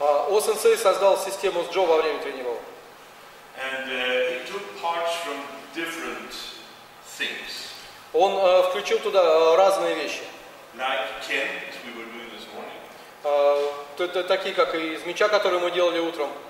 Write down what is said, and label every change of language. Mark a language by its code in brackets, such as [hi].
[ru] O-sensei создал систему с Джо во время тренировок. [en] And he took parts from different things. [ru] Он включил туда разные вещи. [en] Like Ken, as we were doing this morning. [ru] Такие, как и из меча, который мы делали утром.